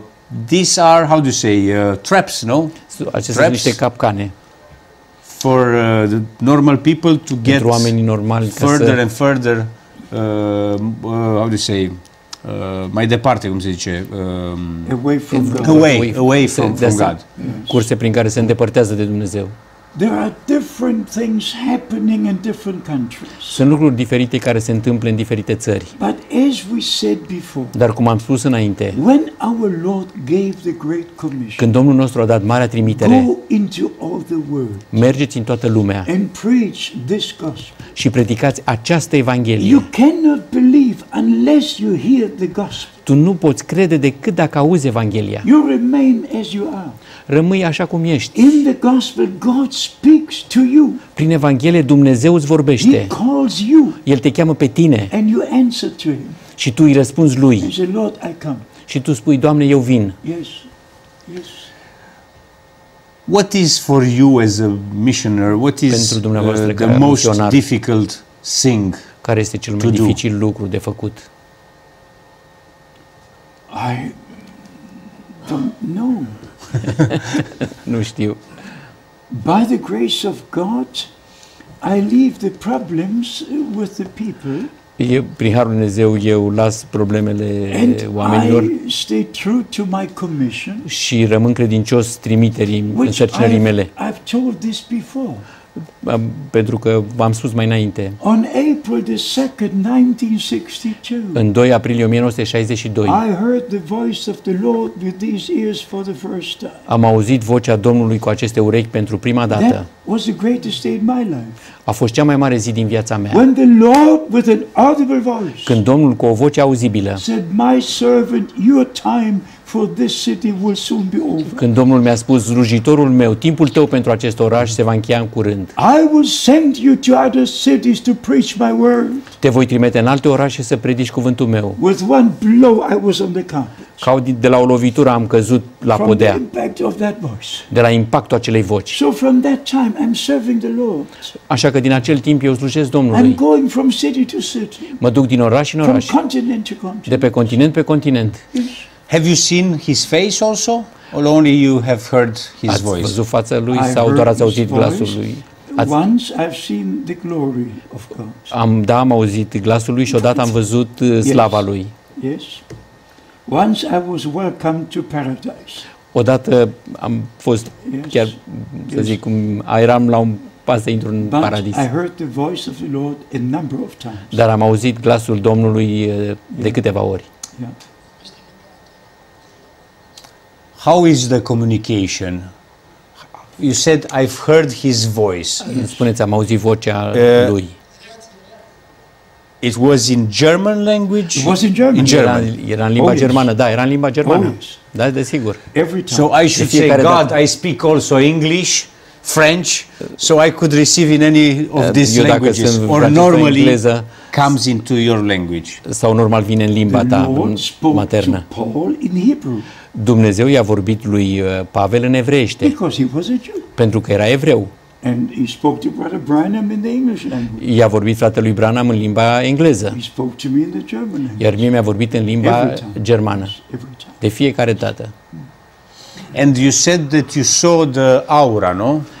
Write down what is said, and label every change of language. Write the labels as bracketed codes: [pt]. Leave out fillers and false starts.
[en] these are, how do you say, traps, no? [ro] Acestea traps sunt niște capcane. [en] For the normal people to get [ro] normali, [en] further and further, how do you say, [ro] mai departe, cum se zice, [en] away from God. Away from, God. [ro] Curse prin care se îndepărtează de Dumnezeu. [en] There are different things happening in different countries. [ro] Sunt lucruri diferite care se întâmplă în diferite țări. [en] But as we said before. [ro] Dar cum am spus înainte. [en] When our Lord gave the great commission. [ro] Când Domnul nostru a dat marea trimitere. [en] Go into all the world. [ro] Mergeți în toată lumea. [en] And preach this gospel. [ro] Și predicați această evanghelie. [en] You cannot believe unless you hear the gospel. [ro] Tu nu poți crede decât dacă auzi Evanghelia. [en] You remain as you are. [ro] Rămâi așa cum ești. [en] In the gospel, God speaks to you. [ro] Prin Evanghelie Dumnezeu îți vorbește. [en] He calls you. [ro] El te cheamă pe tine. [en] And you answer to him. [ro] Și tu îi răspunzi lui. [en] And say, Lord, I come. [ro] Și tu spui, Doamne, eu vin. [en] Yes. Yes. What is for you as a missioner? What is [ro] pentru dumneavoastră [en] the most difficult thing? [ro] Care este cel mai dificil lucru de făcut? [en] I don't know. [ro] Nu știu. [en] By the grace of God, I leave the problems with the people. [ro] Eu, prin harul Dumnezeu, eu las problemele oamenilor. [en] I stay true to my commission. [ro] Și rămân credincios trimiterii, însărcinării mele. [en] I've told this before. [ro] Pentru că v-am spus mai înainte. [en] On April the 2nd, 1962. [ro] În 2 aprilie 1962. [en] I heard the voice of the Lord with these ears for the first time. [ro] Am auzit vocea Domnului cu aceste urechi pentru prima dată. [en] That was the greatest day in my life. [ro] A fost cea mai mare zi din viața mea. [en] When the Lord with an audible voice. [ro] Când Domnul cu o voce auzibilă. [en] Said, my servant, your time for this city will soon be over. [ro] Când Domnul mi-a spus, slujitorul meu, timpul tău pentru acest oraș se va încheia în curând. [en] I will send you to other cities to preach my word. [ro] Te voi trimite în alte orașe să predici cuvântul meu. [en] With one blow I was on the campus. [ro] Ca de la o lovitură am căzut la podea. [en] From the impact of that voice. [ro] De la impactul acelei voci. [en] So from that time I'm serving the Lord. [ro] Așa că din acel timp eu slujesc Domnului. [en] I'm going from city to city. [ro] Mă duc din oraș în oraș. [en] From continent to continent. [ro] De pe continent pe continent. [en] Have you seen his face also? Or only you have heard his [ro] ați [en] voice? [ro] Ați văzut fața lui sau doar ați auzit glasul lui? [en] Once I've seen the glory of God. [ro] Am auzit glasul lui și odată am văzut slava lui. [en] Yes. Once I was welcome to paradise. [ro] Odată am fost chiar, să zic cum, eram la un pas să intru în paradis. [en] I heard the voice of the Lord a number of times. [ro] Dar am auzit glasul Domnului de câteva ori. [en] Yeah. How is the communication? You said I've heard his voice. [ro] Spuneți am auzit vocea lui. [en] It was in German language. It was in German. In German. [ro] Era în limba germană, da, era în limba germană. Da, desigur. [en] Every time. So I should say God, I speak also English, French, so I could receive in any of these languages or normally engleză, comes into your language. [ro] Sau normal vine în limba ta maternă. [en] Paul in Hebrew. [ro] Dumnezeu i-a vorbit lui Pavel în evreiește. [en] Because he was a Jew. [ro] Pentru că era evreu. [en] And he spoke to Brother Branham in the English language. [ro] I-a vorbit fratelui Branham în limba engleză. [en] He spoke to me in the German language. [ro] Iar mie mi-a vorbit în limba germană. [en] Every time. [ro] De fiecare dată. [en] And you said that you saw the aura, no?